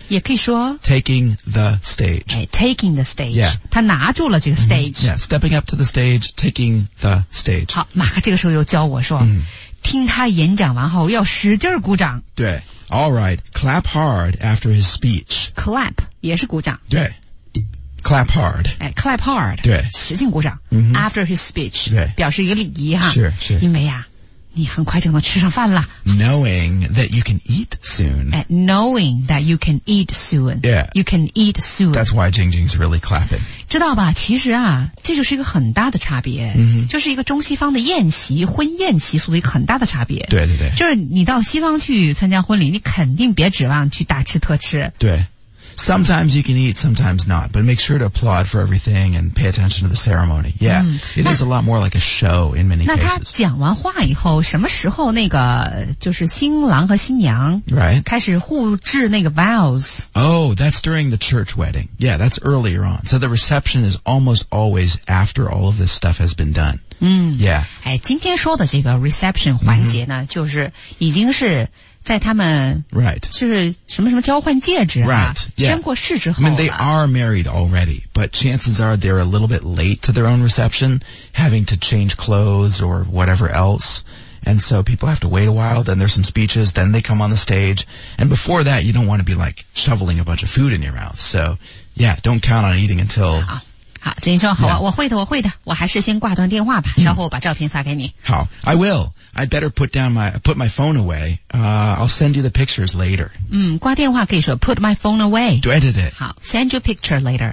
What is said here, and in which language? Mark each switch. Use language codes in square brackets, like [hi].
[zh] 也可以说 [en] taking the stage、哎、taking the stage、 yeah. [zh] 他拿住了这个 stage、 mm-hmm. [en] Yeah, stepping up to the stage taking the stage [zh] 好马克这个时候又教我说、 mm-hmm. 听他演讲完后要使劲鼓掌 [en] 对 All right, clap hard after his speech [zh] Clap 也是鼓掌 [en] 对 Clap hard、哎、Clap hard [zh] 对使劲鼓掌、 mm-hmm. [en] After his speech [zh] 对表示一个礼仪哈是因为啊你很快就能吃上饭了。 [en] Knowing that you can eat soon. And knowing that you can eat soon. Yeah. You can eat soon. That's why Jing Jing's really clapping. [zh] 知道吧，其实啊，这就是一个很大的差别。 Mm-hmm. 就是一个中西方的宴席，婚宴习俗的一个很大的差别。对对对。就是你到西方去参加婚礼，你肯定别指望去大吃特吃。对。 [en] Sometimes you can eat, sometimes not, but make sure to applaud for everything and pay attention to the ceremony. Yeah,it is a lot more like a show in many cases. [zh] 那他讲完话以后，什么时候那个就是新郎和新娘开始互致那个 vows? [en] Oh, that's during the church wedding. Yeah, that's earlier on. So the reception is almost always after all of this stuff has been done. Yeah. [zh] 哎，今天说的这个 reception 环节呢，就是已经是在他们就是什么什么交换戒指啊签过誓之后 [en] I mean, they are married already, but chances are they're a little bit late to their own reception, having to change clothes or whatever else. And so people have to wait a while, then there's some speeches, then they come on the stage. And before that, you don't want to be like shoveling a bunch of food in your mouth. So yeah, don't count on eating until... [zh] 好金英说好啊、我会的我会的我还是先挂断电话吧稍后我把照片发给你。 [en] 好 ,I will. I'd better put my phone away. I'll send you the pictures later. [zh] 嗯，挂电话可以说 [en] put my phone away. [zh] 对对对。 [en] 好 ，send you picture later.